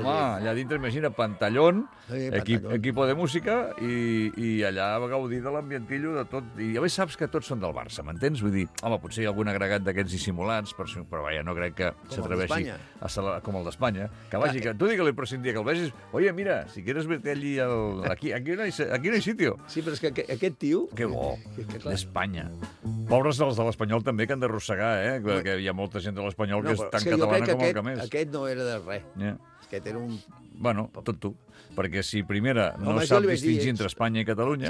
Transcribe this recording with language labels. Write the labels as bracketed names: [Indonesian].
[Catalan] gent. Home, allà dintre, imagina, pantallón, equip de música, i allà va gaudir de l'ambientillo, de tot. I a més saps que tots són del Barça, m'entens? Vull dir, home, potser hi ha algun agregat d'aquests dissimulats, però vaja, no crec que s'atreveixi... Com el d'Espanya. Que vagi, que tu digue-li, però si un dia que el vegis... [Spanish] Oye, mira, si quieres verte allí, aquí no hi sitio. [Catalan] Sí, però és que aquest tio... Que bo, d'Espanya. Pobres els de l'Espanyol també, que han d'arrossegar, eh? Perquè hi ha molta gent de l'Espanyol que és tan catalana com el que més. Aquest no era de res. Aquest era un... Bueno, tot tu. Perquè si primera no sap distingir entre Espanya i Catalunya...